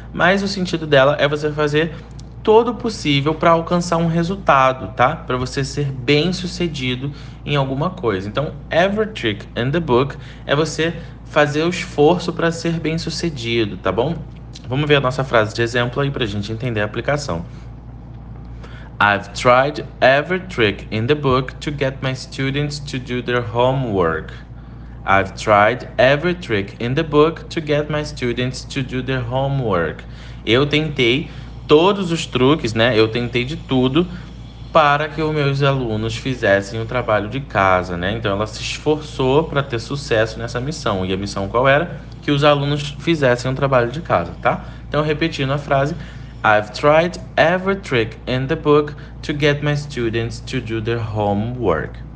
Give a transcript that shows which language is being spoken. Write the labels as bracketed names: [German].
[Portuguese] Mas o sentido dela é você fazer todo o possível para alcançar um resultado, tá? Para você ser bem-sucedido em alguma coisa. Então, [English] every trick in the book [Portuguese] é você fazer o esforço para ser bem-sucedido, tá bom? Vamos ver a nossa frase de exemplo aí para a gente entender a aplicação. [English] I've tried every trick in the book to get my students to do their homework. I've tried every trick in the book to get my students to do their homework. [Portuguese] Eu tentei todos os truques, né? Eu tentei de tudo para que os meus alunos fizessem o trabalho de casa, né? Então ela se esforçou para ter sucesso nessa missão. E a missão qual era? Que os alunos fizessem o trabalho de casa, tá? Então, repetindo a frase: [English] I've tried every trick in the book to get my students to do their homework.